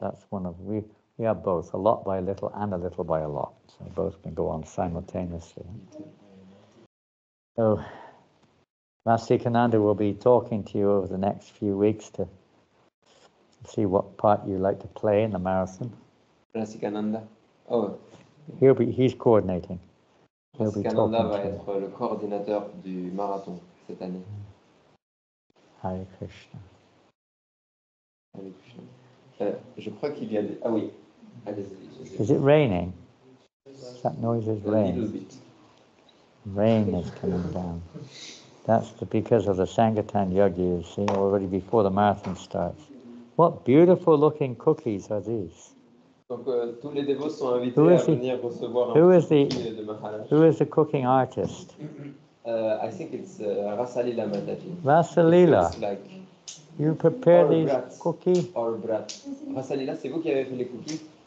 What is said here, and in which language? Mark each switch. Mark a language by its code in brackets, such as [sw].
[en] That's one of we have both, a lot by a little and a little by a lot. So both can go on simultaneously. So Rasikananda will be talking to you over the next few weeks to see what part you like to play in the marathon. Rasikananda. Oh. He's coordinating. [fr] Rasikananda va être le coordinateur du marathon cette année. [sa] Hare Krishna. [fr] Hare Krishna. Je crois qu'il y a des... Ah oui. [en] Is it raining? That noise is rain. A little bit. rain is coming down. That's the, because of the Sangatan Yogi, you see, already before the marathon starts. What beautiful looking cookies are these? [fr] Tous les dévots sont invités à venir recevoir un cookie de Maharaj. [en] Who is the cooking artist? I think it's Rasalila Mataji. Rasalila. You prepare these cookies? Or brat. [fr] Rasalila, c'est vous qui avez fait les cookies?